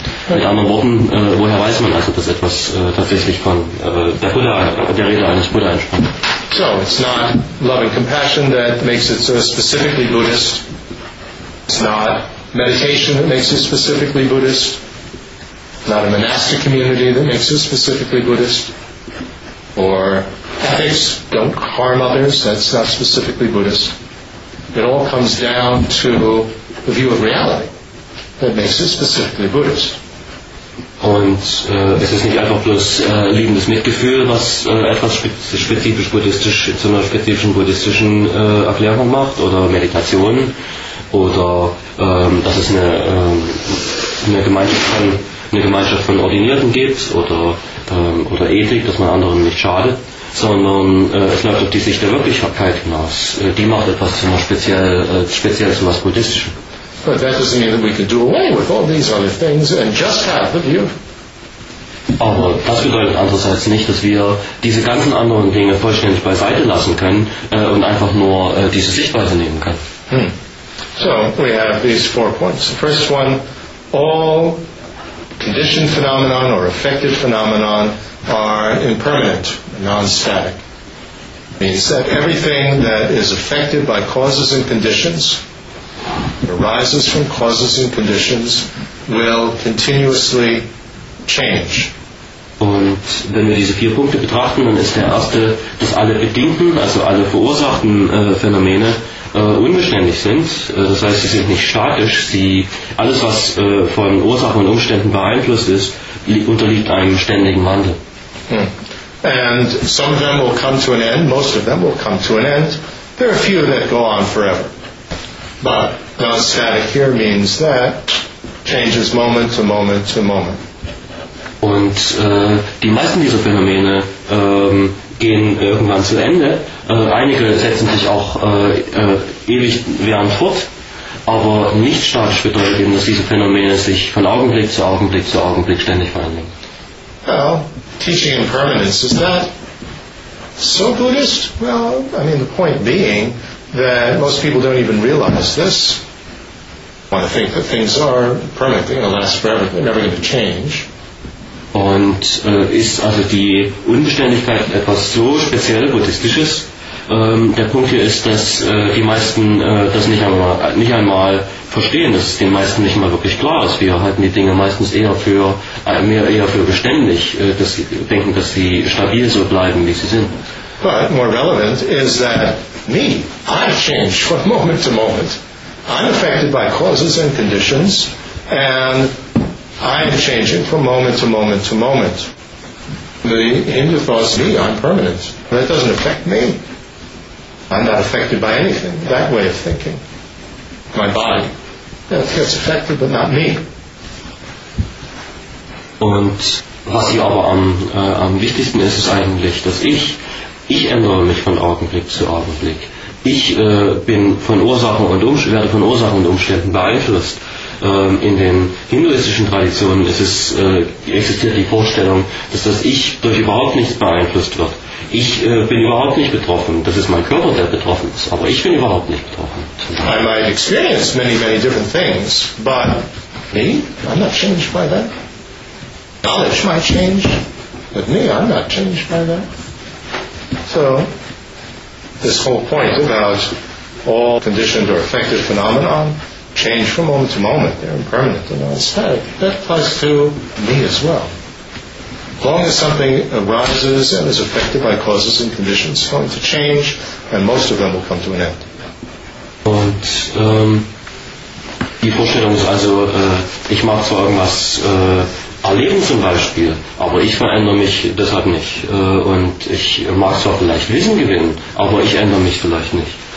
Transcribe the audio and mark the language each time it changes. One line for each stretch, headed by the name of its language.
German: Mit anderen Worten, woher weiß man also, dass etwas tatsächlich von der Rede eines Buddha entstammt?
English: So, it's not love and compassion that makes it so specifically Buddhist. It's not meditation that makes it specifically Buddhist. Not a monastic community that makes it specifically Buddhist. Or ethics, don't harm others, that's not specifically Buddhist. It all comes down to the view of reality that makes it specifically Buddhist.
German: Und es ist nicht einfach bloß liebendes Mitgefühl, was etwas spezifisch buddhistisch zu einer spezifischen buddhistischen Erklärung macht oder Meditation. Oder dass es eine Gemeinschaft von Ordinierten gibt oder Ethik, dass man anderen nicht schadet, sondern es läuft auf die Sicht der Wirklichkeit hinaus. Die macht etwas zu einer speziell zu was Buddhistischem.
English: But that doesn't mean that we could do away with all these other things and just have the view.
German: Aber das bedeutet andererseits nicht, dass wir diese ganzen anderen Dinge vollständig beiseite lassen können und einfach nur diese Sichtweise nehmen können.
English: So, we have these four points. The first one, all conditioned phenomenon or affected phenomenon are impermanent, non-static. It means that everything that is affected by causes and conditions, arises from causes and conditions, will continuously change.
German: Und wenn wir diese vier Punkte betrachten, dann ist der erste, dass alle bedingten, also alle verursachten Phänomene, unbeständig sind, das heißt, sie sind nicht statisch, alles, was von Ursachen und Umständen beeinflusst ist, unterliegt einem ständigen Wandel.
English: And some of them will come to an end, most of them will come to an end. There are a few that go on forever. But non-static here means that changes moment to moment to moment.
German: Und die meisten dieser Phänomene gehen irgendwann zu Ende. Einige setzen sich auch ewig während fort, aber nicht statisch bedeutet eben, dass diese Phänomene sich von Augenblick zu Augenblick zu Augenblick ständig verändern.
English: Well, teaching impermanence, is that so Buddhist? Well, I mean, the point being that most people don't even realize this. Want to think that things are permanent, they're going to last forever, they're never going to change.
German: Und Und ist also die Unbeständigkeit etwas so speziell Buddhistisches? Der Punkt hier ist, dass die meisten das nicht einmal verstehen, dass es den meisten nicht mal wirklich klar ist. Wir halten die Dinge meistens eher für beständig, dass sie denken, dass sie stabil so bleiben, wie sie sind.
English: But more relevant is that me, I change from moment to moment. I'm affected by causes and conditions, and I'm changing from moment to moment to moment. The Hindu thoughts, me, I'm permanent. That doesn't affect me. I'm not affected by anything, that way of thinking. My body, it gets affected, but not me.
German: Und was hier aber am wichtigsten ist, ist eigentlich, dass ich ändere mich von Augenblick zu Augenblick. Ich werde von Ursachen und Umständen beeinflusst. In den hinduistischen Traditionen existiert die Vorstellung, dass das Ich durch überhaupt nichts beeinflusst wird. Ich bin überhaupt nicht betroffen. Das ist mein Körper, der betroffen ist. Aber ich bin überhaupt nicht betroffen.
English: I might experience many, many different things, but me, I'm not changed by that. Knowledge might change, but me, I'm not changed by that. So, this whole point about all conditioned or affected phenomena change from moment to moment, they're impermanent and non-static, that applies to me as well. As long as something arises and is affected by causes and conditions, it's going to change and most of them will come to an end.
German: Und die Vorstellung ist also, ich mag zwar irgendwas erleben zum Beispiel, aber ich verändere mich deshalb nicht. Und ich mag zwar vielleicht Wissen gewinnen, aber ich ändere mich vielleicht nicht.